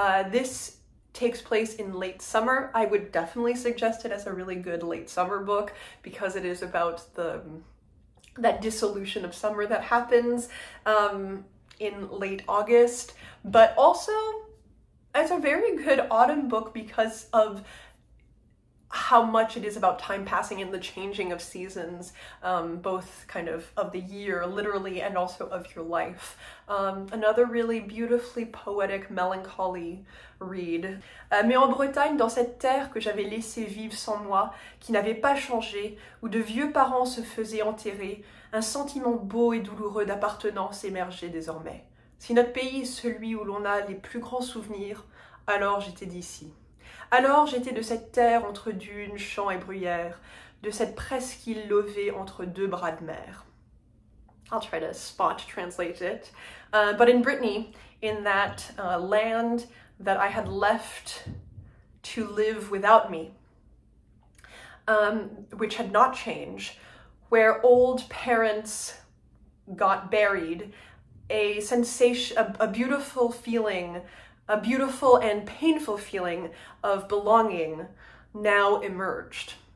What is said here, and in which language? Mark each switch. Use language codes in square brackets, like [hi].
[en] This takes place in late summer. I would definitely suggest it as a really good late summer book because it is about the that dissolution of summer that happens in late August, but also it's a very good autumn book because of how much it is about time passing and the changing of seasons, both kind of the year, literally, and also of your life. Another really beautifully poetic, melancholy read. [fr] Mais en Bretagne, dans cette terre que j'avais laissée vivre sans moi, qui n'avait pas changé, où de vieux parents se faisaient enterrer, un sentiment beau et douloureux d'appartenance émergeait désormais. Si notre pays est celui où l'on a les plus grands souvenirs, alors j'étais d'ici. Alors j'étais de cette terre entre dunes, champs et bruyères, de cette presqu'île levée entre deux bras de mer. [en] I'll try to spot translate it. But in Brittany, in that land that I had left to live without me, which had not changed, where old parents got buried, a sensation, a beautiful feeling, a beautiful and painful feeling of belonging now emerged.